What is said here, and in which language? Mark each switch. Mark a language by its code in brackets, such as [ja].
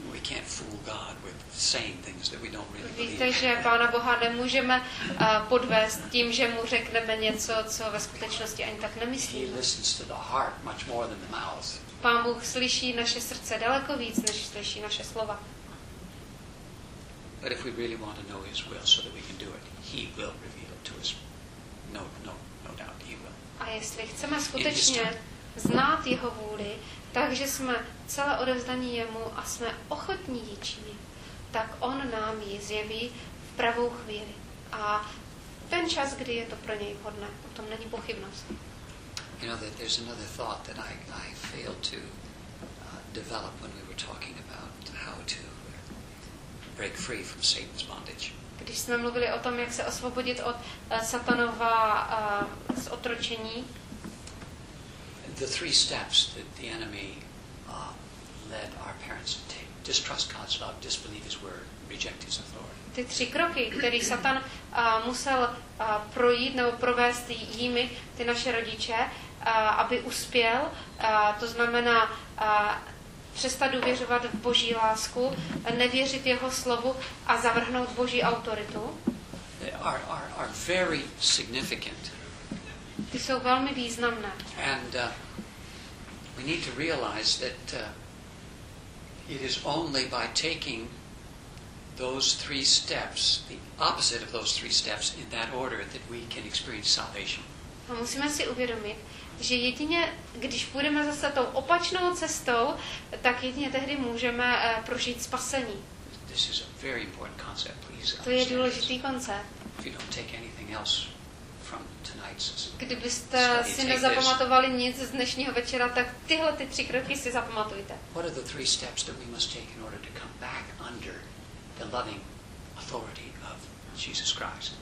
[en] We can't fool God with saying things that we don't really believe. [cs] Víte, že Pána Boha nemůžeme podvést tím, že mu řekneme něco, co ve skutečnosti ani tak nemyslíme. [en] He listens to the heart much more than the mouth. [cs] Pán Bůh slyší naše srdce daleko víc, než slyší naše slova. [en] But if we really want to know his will so that we can do it, he will reveal it to us. No doubt he will. [cs] A jestli chceme skutečně znát jeho vůli, takže jsme celé odevzdaní jemu a jsme ochotní ji činit, tak on nám ji zjeví v pravou chvíli. A ten čas, kdy je to pro něj vhodné, o tom není pochybnost. [en] You know that there's another thought that I failed to develop when we were talking about how to break free from Satan's bondage. [cs] Když jsme mluvili o tom, jak se osvobodit od Satanova z otročení. [en] The three steps that the enemy led our parents to take: distrust God's love, disbelieve His word, reject His authority. [cs] Ty tři kroky, které Satan musel projít nebo provést jimi, ty naše rodiče. Aby uspěl, to znamená přestat důvěřovat v Boží lásku, nevěřit jeho slovu a zavrhnout Boží autoritu. [en] Are very significant. [cs] Ty jsou velmi významné. [en] And we need to realize that it is only by taking those three steps, the opposite of those three steps in that order, that we can experience salvation. [cs] A musíme si uvědomit, že jedině, když půjdeme zase tou opačnou cestou, tak jedině tehdy můžeme prožít spasení. [en] This is a very important concept, please. [cs] To je důležitý koncept. [en] If you don't take anything else from tonight's study, [cs] kdybyste si nezapamatovali nic z dnešního večera, tak tyhle ty tři kroky si zapamatujte. [en] What are the three steps that we must take in order to come back under the loving authority of Jesus Christ?